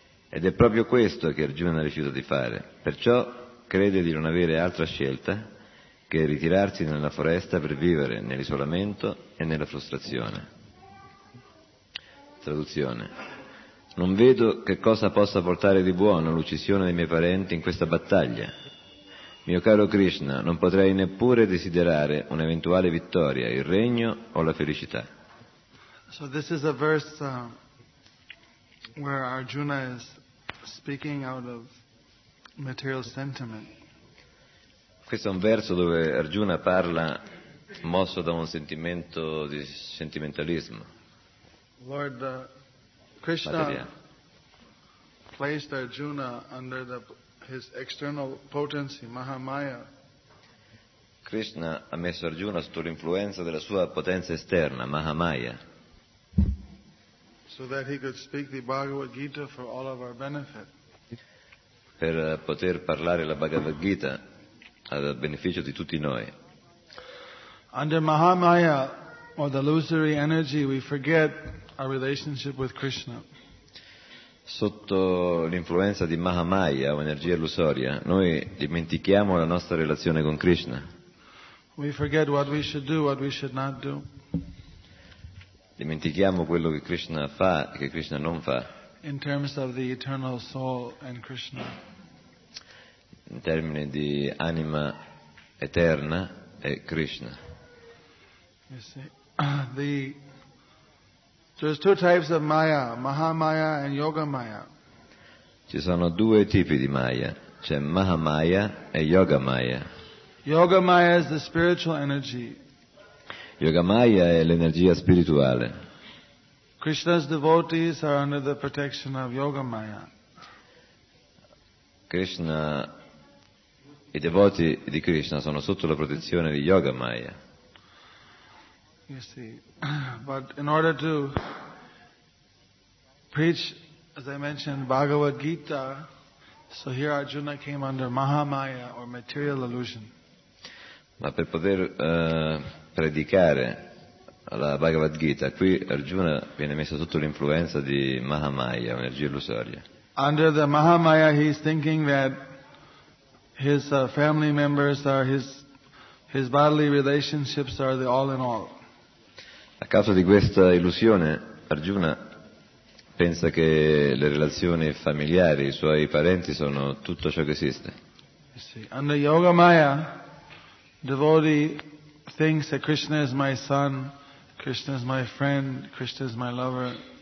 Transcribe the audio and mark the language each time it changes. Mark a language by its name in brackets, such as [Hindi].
[Italian] Ed è proprio questo che Arjuna rifiuta di fare, perciò crede di non avere altra scelta che ritirarsi nella foresta per vivere nell'isolamento e nella frustrazione. Traduzione. Non vedo che cosa possa portare di buono l'uccisione dei miei parenti in questa battaglia. Mio caro Krishna, non potrei neppure desiderare un'eventuale vittoria, il regno o la felicità. [English] So this is a verse where Arjuna is speaking out of material sentiment. [Italian] Questo è un verso dove Arjuna parla mosso da un sentimento di sentimentalismo. [English] Lord, Krishna placed Arjuna under his external potency, Mahamaya. [Italian] Krishna ha messo Arjuna sotto l'influenza della sua potenza esterna, Mahamaya. [English] so that he could speak the Bhagavad Gita for all of our benefit. [Italian] Per poter parlare la Bhagavad Gita a beneficio di tutti noi. [English] Under Mahamaya, or the illusory energy, we forget our relationship with Krishna. [Italian] Sotto l'influenza di Mahamaya, o energia illusoria, noi dimentichiamo la nostra relazione con Krishna. [English] We forget what we should do, what we should not do. [Italian] Dimentichiamo quello che Krishna fa e che Krishna non fa. [English] In terms of the eternal soul and Krishna. [Italian] In termini di anima eterna e Krishna. [English] You see, there's two types of Maya, Mahamaya and Yoga Maya. [Italian] Ci sono due tipi di Maya, c'è Mahamaya e Yoga Maya. [English] Yoga Maya is the spiritual energy. [Italian] Yoga Maya è l'energia spirituale. [English] Krishna's devotees are under the protection of Yoga Maya. [Italian] Krishna, i devoti di Krishna sono sotto la protezione di Yoga Maya. [English] You see, but in order to preach, as I mentioned, Bhagavad Gita, so here Arjuna came under Mahamaya or material illusion. [Italian] Ma per poter predicare la Bhagavad Gita, qui Arjuna viene messo sotto l'influenza di Mahamaya, energia illusoria. [English] Under the Mahamaya, he's thinking that his family members are his bodily relationships are the all in all. [Italian] A causa di questa illusione, Arjuna pensa che le relazioni familiari, i suoi parenti, sono tutto ciò che esiste. [English] Under Yoga Maya, devotee thinks that Krishna is my son, Krishna is my friend, Krishna is my lover.